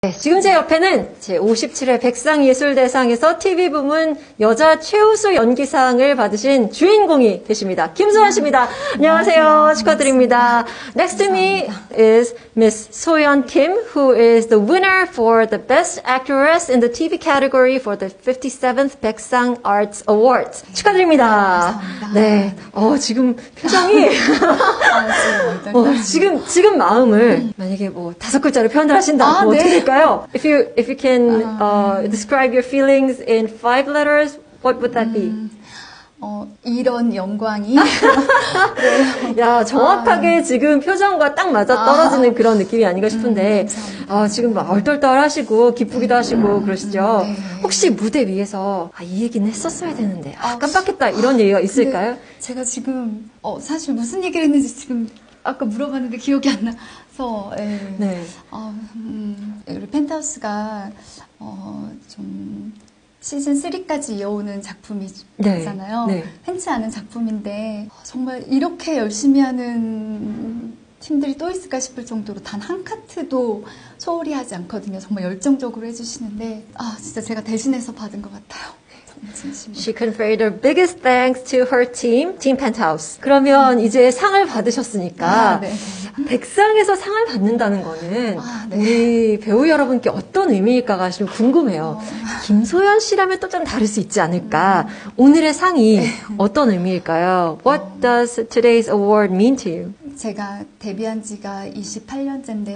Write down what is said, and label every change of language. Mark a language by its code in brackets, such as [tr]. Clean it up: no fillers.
[ko] 네, 지금 제 옆에는 제57회 백상예술대상에서 TV 부문 여자 최우수 연기상을 받으신 주인공이 계십니다. 김소연 씨입니다. 안녕하세요. 축하드립니다. 안녕하세요. [en] Next to me is Miss Soyeon Kim, who is the winner for the Best Actress in the TV category for the 57th 백상 Arts Awards. [ko] 축하드립니다. 네. 지금 표정이 지금 마음을 만약에 뭐 다섯 글자로 표현을 하신다면 뭐 어떻게 네. 될까요? [en] If you can describe your feelings in five letters, what would that be? [ko] 이런 영광이 야, 정확하게 지금 표정과 딱 맞아떨어지는 그런 느낌이 아닌가 싶은데, 지금 막 얼떨떨하시고 기쁘기도 하시고 그러시죠? 혹시 무대 위에서 이 얘기는 했었어야 되는데, 깜빡했다 이런 얘기가 근데 있을까요? 제가 지금 사실 무슨 얘기를 했는지 지금 아까 물어봤는데 기억이 안 나서 네. 우리 펜트하우스가 좀 시즌 3까지 이어오는 네. 작품이잖아요. 흔치 않은 작품인데 정말 이렇게 열심히 하는 팀들이 또 있을까 싶을 정도로 단한 카트도 소홀히 하지 않거든요. 정말 열정적으로 해주시는데 진짜 제가 대신해서 받은 것 같아요. 정말 진심으로. [en] She conveyed her biggest thanks to her team, Team Penthouse. [ko] 그러면 이제 상을 받으셨으니까, 백상에서 상을 받는다는 거는 우리 배우 여러분께 어떤 의미일까가 좀 궁금해요. 김소연 씨라면 또좀 다를 수 있지 않을까? 오늘의 상이 어떤 의미일까요? [en] What does today's award mean to you? [ko] 제가 데뷔한 지가 28년째인데,